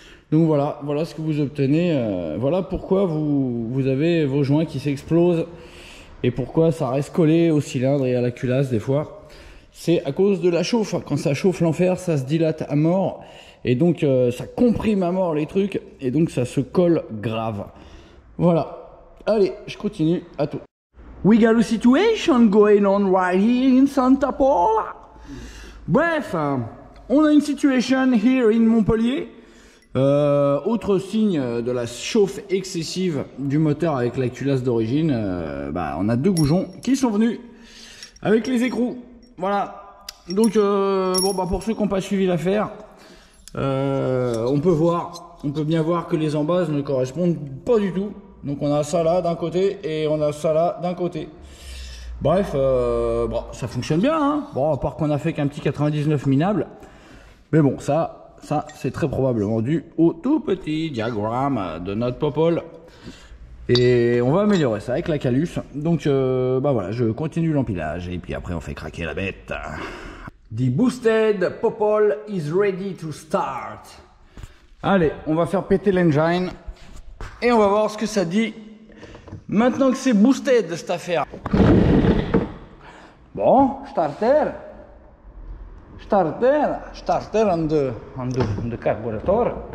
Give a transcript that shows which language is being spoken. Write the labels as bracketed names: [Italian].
[French] Donc voilà, voilà ce que vous obtenez. Voilà pourquoi vous avez vos joints qui s'explosent. Et pourquoi ça reste collé au cylindre et à la culasse des fois? C'est à cause de la chauffe. Quand ça chauffe l'enfer, ça se dilate à mort. Et donc, ça comprime à mort les trucs. Et donc, ça se colle grave. Voilà. Allez, je continue. À tout. [English] We got a situation going on right here in Santa Paula. [French] Bref, on a une situation [English] here in Montpellier. [French] Autre signe de la chauffe excessive du moteur avec la culasse d'origine, on a deux goujons qui sont venus avec les écrous. Voilà. Donc pour ceux qui n'ont pas suivi l'affaire, on peut bien voir que les embases ne correspondent pas du tout. Donc on a ça là d'un côté et on a ça là d'un côté. Bref, ça fonctionne bien. Hein, bon, à part qu'on a fait qu'un petit 99 minable, mais bon, ça. Ça, c'est très probablement dû au tout petit diagramme de notre popol. Et on va améliorer ça avec la calus. Donc, je continue l'empilage et puis après, on fait craquer la bête. [English] The boosted popol is ready to start. [French] Allez, on va faire péter l'engine et on va voir ce que ça dit maintenant que c'est boosted cette affaire. [English] Bon, starter. Starter on the carburetor.